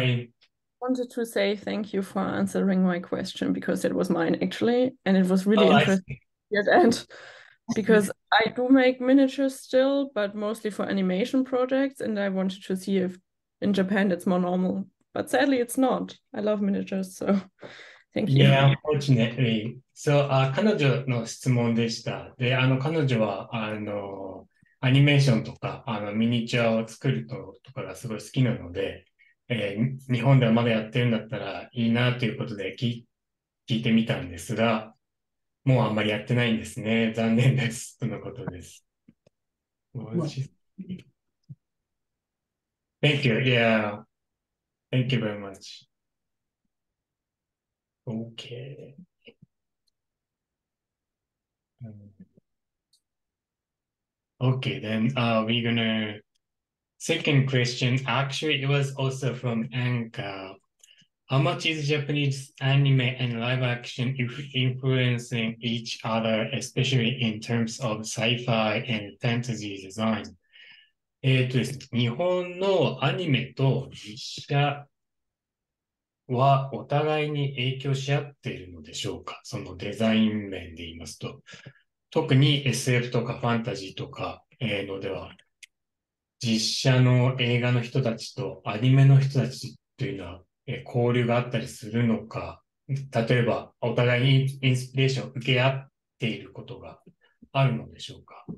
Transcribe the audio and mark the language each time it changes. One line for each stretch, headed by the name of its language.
English: I wanted to say thank you for answering my question, because it was mine actually, and it was really interesting. Yes, and because I do make miniatures still, but mostly for animation projects, and I wanted to see if in Japan it's more normal, but sadly it's not. I love miniatures, so thank you. Yeah, unfortunately.
Japanese: So, 彼女の質問でした。で、あの彼女はあのアニメーションとかあのミニチュアを作るとかがすごい好きなので、日本ではまだやってるんだったらいいなということで聞いてみたんですが、もうあんまりやってないんですね。残念です。とのことです。
English: Thank you. Yeah. Thank you very much. Okay. Okay, then we're gonna... Second question. Actually, it was also from Anka. How much is Japanese anime and live action influencing each other, especially in terms of sci-fi and fantasy design?
Japanese: ですね、日本のアニメと実写はお互いに影響し合っているのでしょうか、そのデザイン面で言いますと。特に SF とかファンタジーとかのでは、実写の映画の人たちとアニメの人たちというのは交流があったりするのか、例えばお互いにインスピレーションを受け合っていることがあるのでしょうか。